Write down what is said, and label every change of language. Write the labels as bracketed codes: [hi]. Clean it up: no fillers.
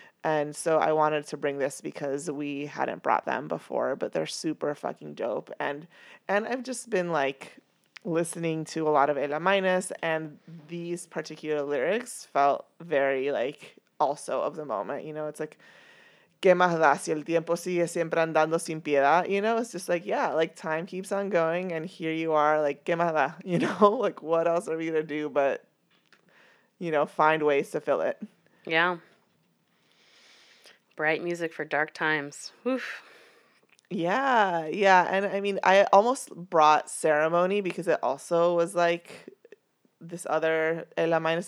[en] And so I wanted to bring this because we hadn't brought them before, but they're super fucking dope. And I've just been like listening to a lot of Ella Minus, and these particular lyrics felt very like also of the moment. You know, it's like, [es] ¿qué más da si el tiempo sigue siempre andando sin piedad? [en] You know, it's just like, yeah, like time keeps on going and here you are, like, [es] ¿qué más da? [en] You know, like what else are we gonna do but, you know, find ways to fill it. Yeah. Bright Music for Dark Times. Oof. Yeah, yeah. And I mean, I almost brought Ceremony because it also was like this other Ella Minus.